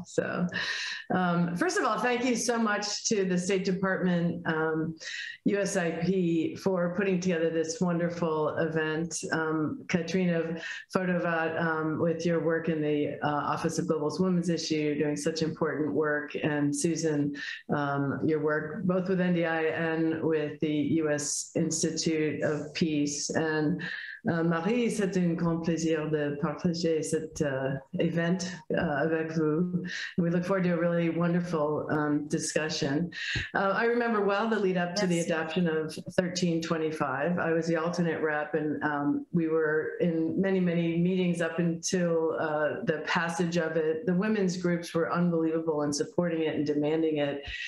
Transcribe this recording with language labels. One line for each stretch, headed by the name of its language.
English: So first of all, thank you so much to the State Department, USIP, for putting together this wonderful event. Katrina Fotovat, with your work in the Office of Global Women's Issue, doing such important work, and Susan, your work both with NDI and with the U.S. Institute of Peace.
French: And Marie, c'est un grand plaisir de partager cet event avec vous.
English: And we look forward to a really wonderful discussion. I remember well the lead up to the adoption of 1325. I was the alternate rep, and we were in many, many meetings up until the passage of it. The women's groups were unbelievable in supporting it and demanding it.